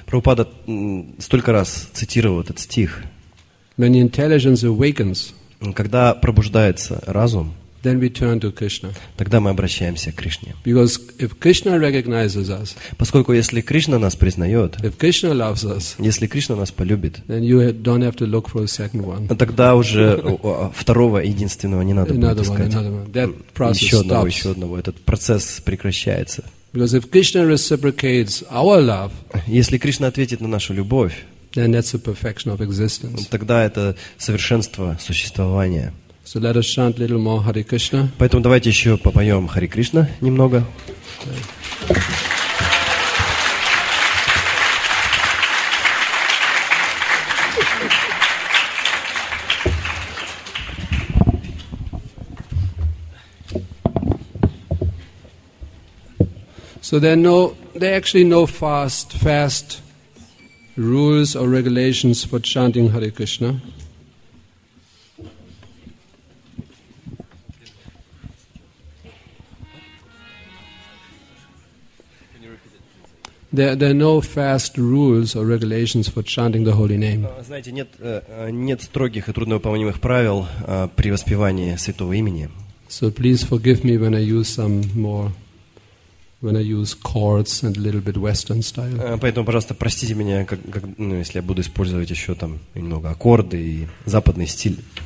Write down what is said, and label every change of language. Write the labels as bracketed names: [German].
[Russian] Prabhupada столько раз цитировал этот стих. [English] When intelligence awakens, [Russian] когда пробуждается разум, [English] then we turn to Krishna. [Russian] Тогда мы обращаемся к Кришне. [English] Because if Krishna recognizes us, [Russian] поскольку если Кришна нас признает, [English] if Krishna loves us, [Russian] если Кришна нас полюбит, [English] then you don't have to look for a second one. [Russian] Тогда уже второго единственного не надо будет искать. Еще одного. Этот процесс прекращается. [English] Because if Krishna reciprocates our love, [Russian] если Кришна ответит на нашу любовь, [English] then that's the perfection of existence. [Russian] Тогда это совершенство существования. [English] So let us chant a little more Hare Krishna. [Russian] Поэтому давайте еще попоем Hare Krishna немного. [English] So there are actually no fast rules or regulations for chanting Hare Krishna. There are no fast rules or regulations for chanting the holy name. [Russian] Знаете, нет строгих и трудновыполнимых правил при воспевании святого имени. [English] So please forgive me when I use chords and a little bit western style. [Russian] Поэтому, пожалуйста, простите меня, если я буду использовать еще там немного аккорды и западный стиль.